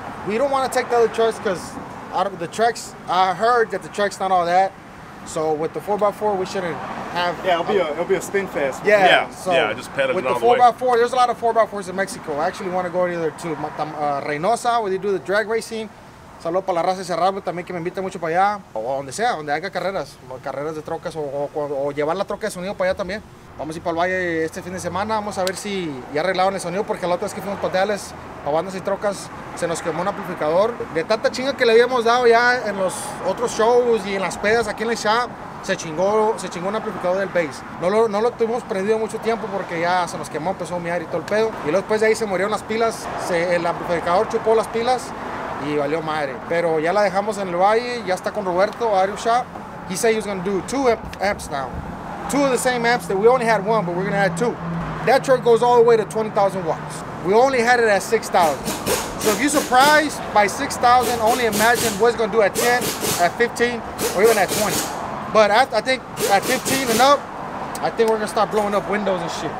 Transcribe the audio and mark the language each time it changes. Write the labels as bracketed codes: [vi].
[en] We don't want to take the other trucks because out of the trucks, I heard that the truck's not all that. So with the 4x4, we shouldn't have. Yeah, it'll be a spin fest. Yeah. Yeah. So yeah, just pedaling with the 4x4, there's a lot of 4x4s in Mexico. I actually want to go either to Reynosa where they do the drag racing. [es] Saludos para la raza de Cerrado, también que me invita mucho para allá. O donde sea, donde haga carreras. Carreras de trocas o llevar la troca de sonido para allá también. Vamos a ir para el Valle este fin de semana. Vamos a ver si ya arreglaron el sonido. Porque la otra vez que fuimos para Teales, para bandas y trocas, se nos quemó un amplificador. De tanta chinga que le habíamos dado ya en los otros shows y en las pedas aquí en el shop, se chingó un amplificador del bass. No lo tuvimos prendido mucho tiempo porque ya se nos quemó, empezó a humear y todo el pedo. Y luego después de ahí se murieron las pilas. El amplificador chupó las pilas. Y valió madre. Pero ya la dejamos en el valle, ya está con Roberto, Ario Shop. [en] He said he was gonna do two amps now. Two of the same amps that we only had one, but we're gonna add two. That truck goes all the way to 20,000 watts. We only had it at 6,000. So if you're surprised by 6,000, only imagine what it's gonna do at 10, at 15, or even at 20. But I think at 15 and up, I think we're gonna start blowing up windows and shit.